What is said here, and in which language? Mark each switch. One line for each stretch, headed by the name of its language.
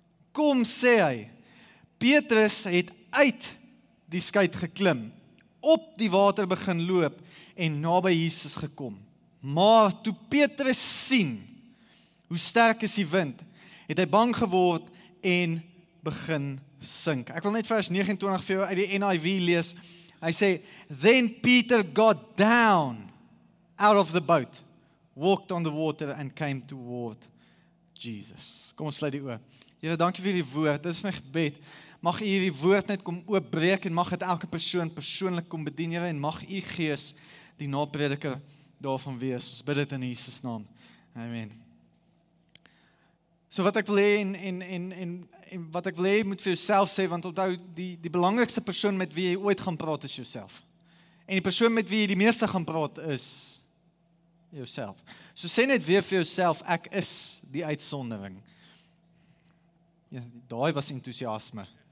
Afrikaans: Kom, sê hy. Petrus het uit die skuit geklim, op die water begin loop en naby Jesus gekom. Maar toe Petrus sien hoe sterk is die wind, het hy bang geword en begin sink. Ek wil net vers 29 vir jou uit die NIV lees. Hy sê,
English: Then Peter got down out of the boat, walked on the water and came toward Jesus.
Afrikaans: Kom, ons sluit die oor. Here, dankie vir die woord. Dit is my gebed. Mag U die woord net kom oopbreek en mag dit elke persoon persoonlik kom bedien, Here, en mag U gees die naprediker daarvan wees. Ons bid dit in Jesus naam. Amen. So wat ek wil hê en wat ek wil hê moet vir jouself sê, want onthou die belangrikste persoon met wie jy ooit gaan praat is jouself. En die persoon met wie jy die meeste gaan praat is jouself. So sê net weer vir jouself, ek is die uitsondering. Ja, daai was entoesiasme.